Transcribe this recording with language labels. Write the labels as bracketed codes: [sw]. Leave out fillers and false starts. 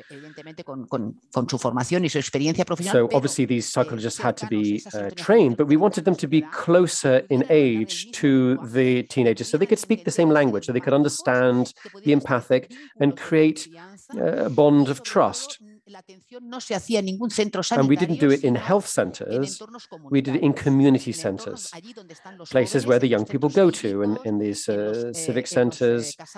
[en] So obviously these psychologists had to be trained, but we wanted them to be closer in age to the teenagers so they could speak the same language, so they could understand, be empathic, and create a bond of trust. [es] la atención no se hacía en ningún centro sanitario. [en] And we didn't do it in health centers. We did it in community centers, places where the young people go to, in these civic centers.